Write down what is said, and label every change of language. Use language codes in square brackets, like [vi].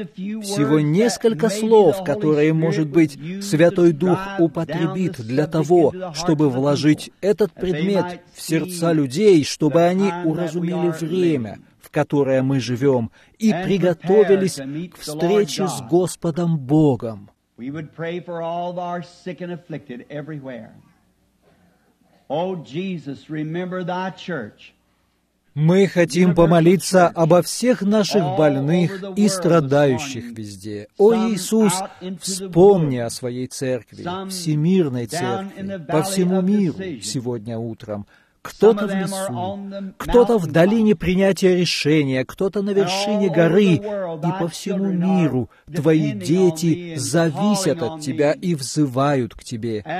[ru] Всего несколько слов, которые, может быть, Святой Дух употребит для того, чтобы вложить этот предмет в сердца людей, чтобы они уразумели время, в которое мы живем, и приготовились к встрече с Господом Богом. [en] We would pray for all our sick and afflicted everywhere. O Jesus, remember thy church. [ru] Мы хотим помолиться обо всех наших больных и страдающих везде. О Иисус, вспомни о своей церкви, всемирной церкви, по всему миру сегодня утром. Кто-то в лесу, кто-то в долине принятия решения, кто-то на вершине горы, и по всему миру Твои дети зависят от Тебя и взывают к Тебе.